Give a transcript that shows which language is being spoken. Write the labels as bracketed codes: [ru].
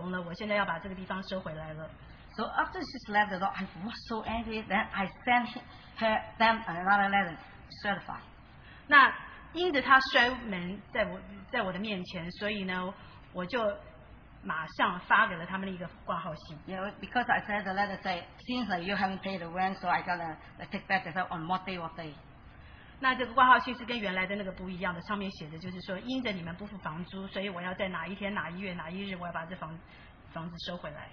[zh] 所以当我在见他们的时候，实际上我已经带了一封信，是我事先已经告诉他们的通知，就是说我现在要结束这个合同了，我现在要把这个地方收回来了。 [en] So after she left the door, I was so angry that I sent them another letter. Certify. [zh] 那因着他摔门在我的面前，所以呢，我就马上发给了他们一个挂号信。 [en] Yeah, because I said the letter say, seems like you haven't paid the rent, so I gotta take back the on what day or day. [zh] 那这个挂号信是跟原来的那个不一样的，上面写的就是说，因着你们不付房租，所以我要在哪一天哪一月哪一日，我要把这房子收回来。